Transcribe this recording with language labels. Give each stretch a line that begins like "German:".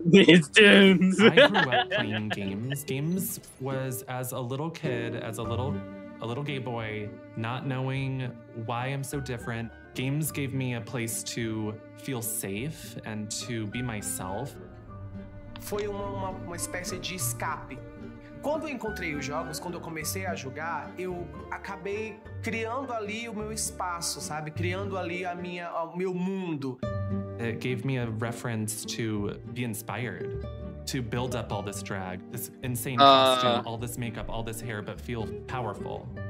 English: It's Dune. I grew up playing games. Games was as a little kid, as a little gay boy, not knowing why I'm so different. Games gave me a place to feel safe and to be myself.
Portuguese: Foi uma espécie de escape. quando eu encontrei os jogos, quando eu comecei a jogar, eu acabei criando ali o meu espaço, sabe? Criando ali a minha, o meu mundo.
English: It gave me a reference to be inspired, to build up all this drag, this insane costume, all this makeup, all this hair, but feel powerful.